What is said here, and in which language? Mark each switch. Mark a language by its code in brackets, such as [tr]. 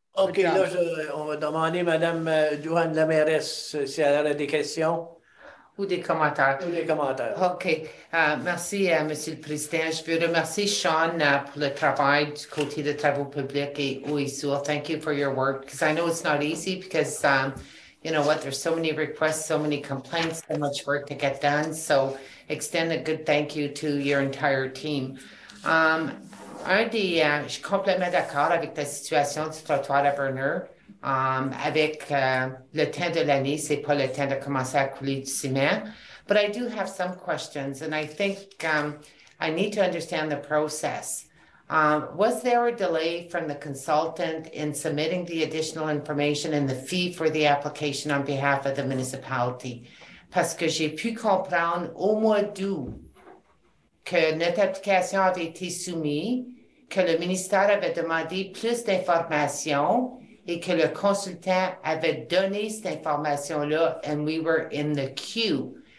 [fr] OK, là, on va demander Mme Duane, la mairesse, si elle a des questions. Ou des commentaires. OK. Merci, Monsieur le Président. Je veux remercier Sean pour le travail du côté des travaux publics et OISO. [en] Thank you for your work. Because I know it's not easy because, you know what, there's so many requests, so many complaints, so much work to get done. So extend a good thank you to your entire team. [fr] Je suis complètement d'accord avec la situation du trottoir à Burner. Avec le temps de l'année, c'est pas le temps de commencer à couler du ciment. [en] But I do have some questions, and I think I need to understand the process. Was there a delay from the consultant in submitting the additional information and the fee for the application on behalf of the municipality? [fr] Parce que j'ai pu comprendre au mois d'août que notre application avait été soumise, que le ministère avait demandé plus d'informations et que le consultant avait donné cette information-là, [en] and we were in the queue.